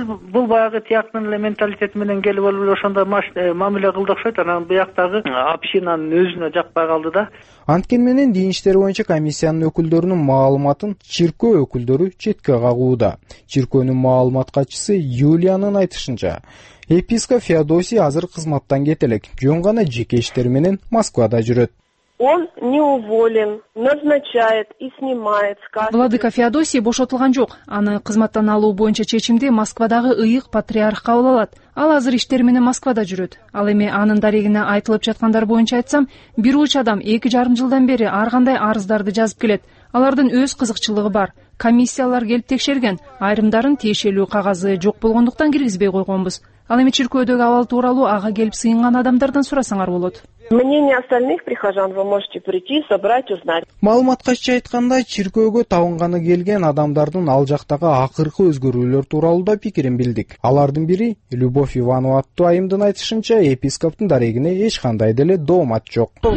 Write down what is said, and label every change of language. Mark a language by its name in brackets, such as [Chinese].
[Kyrgyz] Бул баягы тияктын эле менталитети менен келип алып эле ошондой мамиле кылды окшойт, анан бияктагы общинанын өзүнө жакпай калды да. Анткени менен дин иштери боюнча комиссиянын өкүлдөрүнүн маалыматын чиркөө өкүлдөрү четке кагууда. Чиркөөнүн маалымат катчысы Юлиянын айтышынча, епископ Феодосий азыр кызматтан кете элек, жөн гана жеке иштери менен Москвада жүрөт. [Russian] Он не уволен, назначает и снимает. [Kyrgyz] Владыка Феодосий бошотулган жок. Аны кызматтан алуу боюнча чечимди Москвадагы ыйык патриарх кабыл алат. Ал азыр иштери менен Москвада жүрөт. Ал эми анын дарегине айтылып жаткандар боюнча айтсам, бир ууч адам 2.5 жылдан бери ар кандай арыздарды жазып келет. Алардын өз кызыкчылыгы бар. Комиссиялар келип текшерген, айрымдарын тиешелүү кагазы жок болгондуктан киргизбей койгонбуз. Ал эми чиркөөдөгү абал тууралуу ага келип сыйынган адамдардан сурасаңар болот. [Russian] Мнение остальных прихожан вы можете прийти, собрать, узнать. [Kyrgyz] Маалымат катчы айтканда, чиркөөгө табынганы келген адамдардын ал жактагы акыркы өзгөрүүлөр тууралуу да пикирин билдик. Алардын бири Любовь Иванова аттуу айымдын айтышынча, епископтун дарегине эч кандай деле доомат жок.